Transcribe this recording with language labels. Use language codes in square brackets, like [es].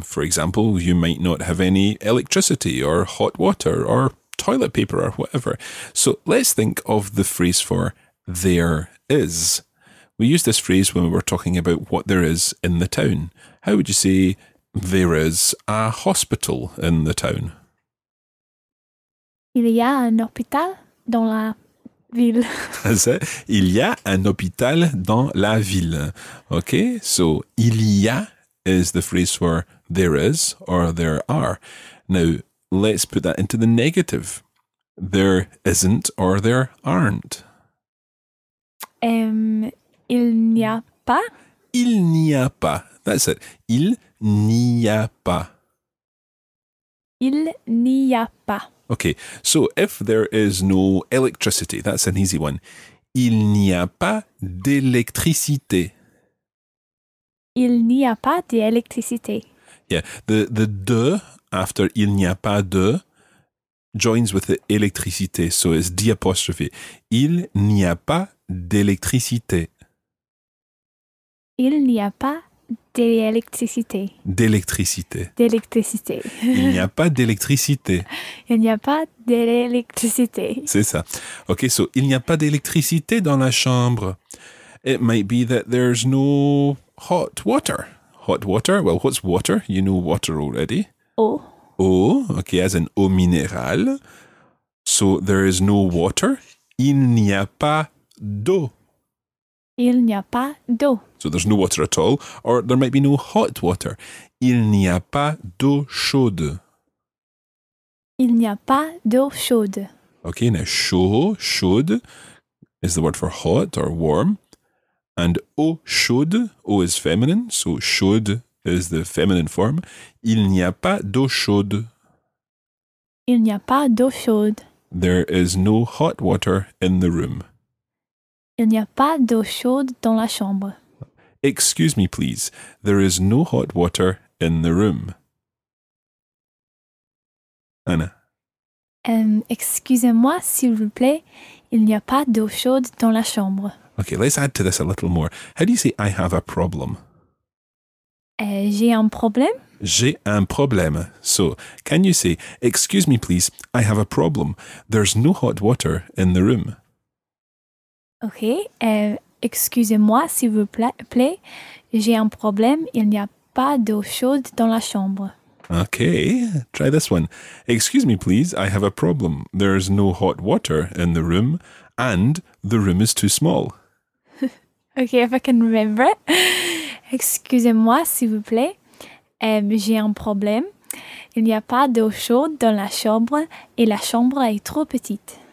[en] For example, you might not have any electricity or hot water or toilet paper or whatever. So let's think of the phrase for there is. We use this phrase when we're talking about what there is in the town. How would you say there is a hospital in the town? [fr] Il y a un hôpital dans la ville. [en] That's it. [fr] Il y a un hôpital dans la ville. [en] Okay, so [fr] il y a [en] is the phrase for there is or there are. Now, let's put that into the negative. There isn't or there aren't. [fr] Il n'y a pas. Il n'y a pas. [en] That's it. [fr] Il n'y a pas. Il n'y a pas. [en] Okay, so if there is no electricity, that's an easy one. [fr] Il n'y a pas d'électricité. Il n'y a pas d'électricité. [en] Yeah, the de after [fr] il n'y a pas de [en] joins with the électricité, so it's d' apostrophe. [fr] Il n'y a pas d'électricité. Il n'y a pas d'électricité. D'électricité. D'électricité. Il n'y a pas d'électricité. Il n'y a pas d'électricité. C'est ça. Okay, so il n'y a pas d'électricité dans la chambre. [en] It might be that there's no hot water. Hot water, well, what's water? You know water already. [fr] Eau. [en] Eau, okay, as in [fr] eau minérale. [en] So there is no water. [fr] Il n'y a pas d'eau. Il n'y a pas d'eau. [en] So there's no water at all, or there might be no hot water. [fr] Il n'y a pas d'eau chaude. Il n'y a pas d'eau chaude. [en] Okay, now chaud, chaude is the word for hot or warm. And eau chaude, eau is feminine, so chaude is the feminine form. [fr] Il n'y a pas d'eau chaude. Il n'y a pas d'eau chaude. [en] There is no hot water in the room. [fr] Il n'y a pas d'eau chaude dans la chambre. [en] Excuse me, please. There is no hot water in the room. Anna. [fr] Excusez-moi, s'il vous plaît. Il n'y a pas d'eau chaude dans la chambre. [en] Okay, let's add to this a little more. How do you say I have a problem? [fr] J'ai un problème. J'ai un problème. [en] So, can you say, excuse me, please. I have a problem. There's no hot water in the room. [fr] Okay, excusez-moi, s'il vous plaît, j'ai un problème, il n'y a pas d'eau chaude dans la chambre. [en] Okay, try this one. Excuse me, please, I have a problem. There is no hot water in the room and the room is too small. Okay, if I can remember it. [fr] Excusez-moi, s'il vous plaît, j'ai un problème, il n'y a pas d'eau chaude dans la chambre et la chambre est trop petite.